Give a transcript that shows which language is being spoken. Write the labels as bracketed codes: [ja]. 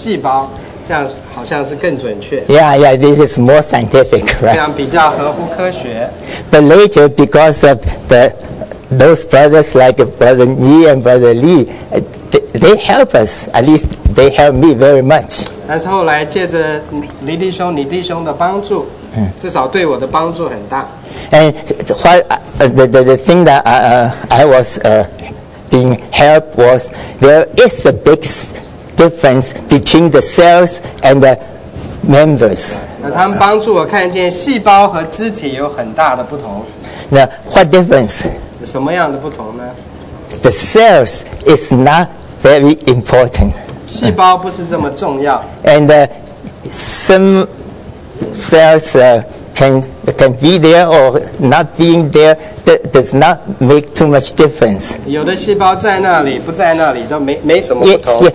[zh] 那我觉得保罗应该说，教会是基督的身体，那我们是身体上的许多细胞，这样好像是更准确。 [en] Yeah, this is more scientific, right? [zh] 这样比较合乎科学。 [en] But later, because of those brothers like Brother Yi and Brother Lee, they help us, at least they help me very much. [zh] 但是后来借着你弟兄的帮助，至少对我的帮助很大。 [en] And the thing that I was being helped was there is a big difference between the cells and the members. [zh] 他们帮助我看见细胞和肢体有很大的不同。 [en] Now, what difference? [zh] 什么样的不同呢? [en] The cells is not very important. [zh] 细胞不是这么重要。 [en] And some cells can be there or not being there, that does not make too much difference. [zh] 有的细胞在那里，不在那里都没什么不同。